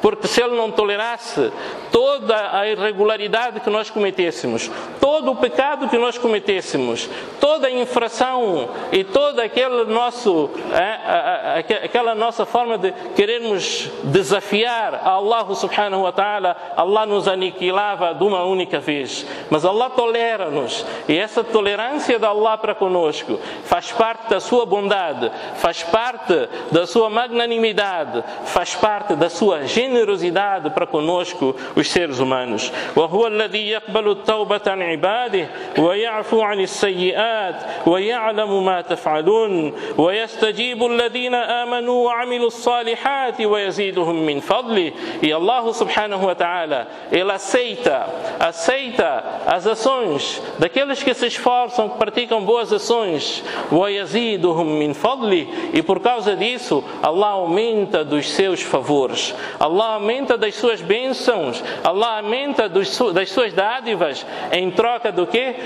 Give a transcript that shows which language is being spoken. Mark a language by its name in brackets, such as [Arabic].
[Portuguese] Porque se ele não tolerasse toda a irregularidade que nós cometêssemos, todo o pecado que nós cometêssemos, toda a infração e toda aquela nossa forma de querermos desafiar a Allah subhanahu wa ta'ala, Allah nos aniquilava de uma única vez. Mas Allah tolera-nos. E essa tolerância de Allah para conosco faz parte da sua bondade, faz parte da sua magnanimidade, faz parte da sua generosidade para conosco, os seres humanos. [Arabic] وهو الذي يقبل التوبة عن عباده ويعفو عن السيئات ويعلم ما تفعلون ويستجيب الذين آمنوا وعملوا الصالحات ويزيدهم من فضله. [Portuguese] E Allah subhanahu wa ta'ala, ele aceita as ações daqueles que se esforçam, que praticam boas ações, [Arabic] ويزيدهم من فضله, [Portuguese] e por causa disso Allah aumenta dos seus favores, Allah aumenta das suas bênçãos, Allah aumenta das suas dádivas, em troca do quê?